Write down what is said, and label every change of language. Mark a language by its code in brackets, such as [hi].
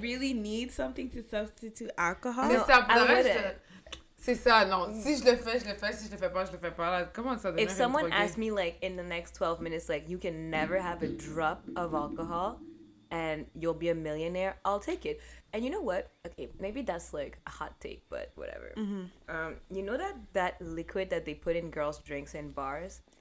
[en] Do you really need something to substitute alcohol? No, I wouldn't. [fr] C'est ça, non. Si je le fais, je le fais. Si je le fais pas, je le fais pas. Comment ça devient? [en] If someone asked me, like, in the next 12 minutes, like, you can never have a drop of alcohol and you'll be a millionaire, I'll take it. And you know what? Okay, maybe that's, like, a hot take, but whatever. Mm-hmm. You know that liquid that they put in girls' drinks in bars?